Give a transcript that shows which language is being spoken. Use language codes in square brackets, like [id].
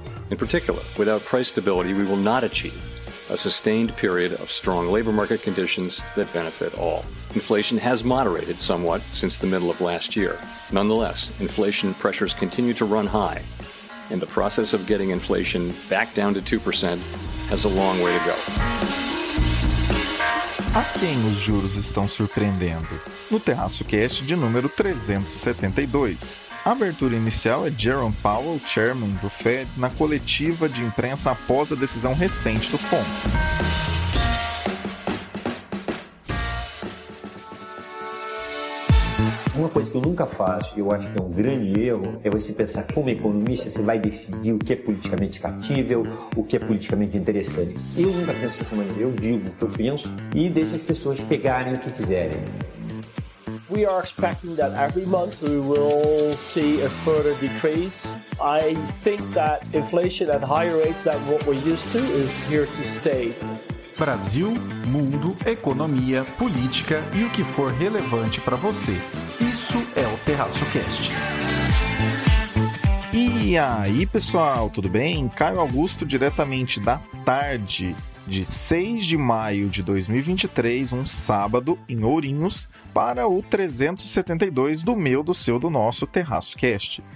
[en] In particular, without price stability, we will not achieve a sustained period of strong labor market conditions that benefit all. Inflation has moderated somewhat since the middle of last year. Nonetheless, inflation pressures continue to run high, and the process of getting inflation back down to 2% has a long way to go. [pt] A quem os juros estão surpreendendo? No Terraço Cast de número 372. A abertura inicial é Jerome Powell, chairman do Fed, na coletiva de imprensa após a decisão recente do FOMC. Uma coisa que eu nunca faço, e eu acho que é um grande erro, é você pensar como economista, você vai decidir o que é politicamente factível, o que é politicamente interessante. Eu nunca penso dessa maneira, eu digo o que eu penso e deixo as pessoas pegarem o que quiserem. [en] We are expecting that every month we will see a further decrease. I think that inflation at higher rates than what we're used to is here to stay. [pt] Brasil, mundo, economia, política e o que for relevante para você. Isso é o TerraçoCast. E aí, pessoal, tudo bem? Caio Augusto, diretamente da tarde de 6 de maio de 2023, um sábado em Ourinhos, para o 372 do meu, do seu, do nosso TerraçoCast.